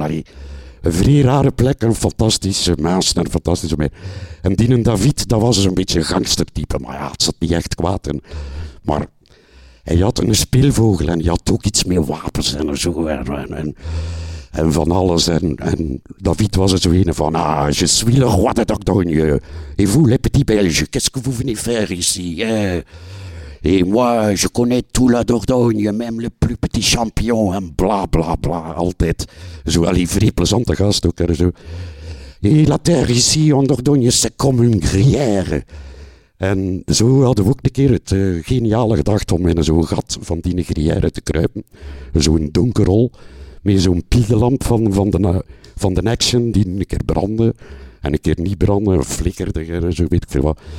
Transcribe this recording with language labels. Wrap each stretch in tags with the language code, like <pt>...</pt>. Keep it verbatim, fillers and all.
<nl>Allee, een vrij rare plek, een fantastische maas en een fantastische meid. En die en David, dat was dus een beetje een gangstertype, maar ja, het zat niet echt kwaad in. Maar hij had een speelvogel en hij had ook iets meer wapens en zo en, en, en van alles. En, en David was er zo een van,</nl> <fr>ah, je suis le roi de Dordogne, et vous les petits Belges, qu'est-ce que vous venez faire ici? Eh? Et moi, je connais tout la Dordogne, même le plus petit champignon, en bla bla bla, altijd.</fr> <nl>Zo, allee, vrij plezante gast ook, en zo.</nl> <fr>Et la terre ici, en Dordogne, c'est comme une gruyère.</fr> <nl>En zo hadden we ook een keer het uh, geniale gedachte om in zo'n gat van die gruyère te kruipen. Zo'n donkerhol, met zo'n piegelamp van, van, de, van de Action, die een keer brandde, en een keer niet brandde, flikkerde, en zo weet ik veel wat.</nl>